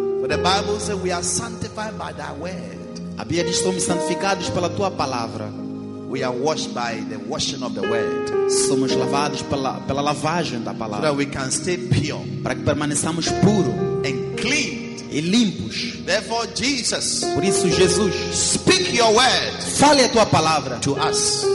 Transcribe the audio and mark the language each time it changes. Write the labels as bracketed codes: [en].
[en] For the Bible says we are sanctified by thy word. [pt] A Bíblia diz que somos santificados pela tua palavra. [en] We are washed by the washing of the word. [pt] Somos lavados pela lavagem da palavra. [en] So that we can stay pure. [pt] Para que permaneçamos puros. [en] And clean. [pt] E limpos. [en] Therefore, Jesus, [pt] por isso Jesus, [en] speak your word, [pt] fale a tua palavra, [en] to us,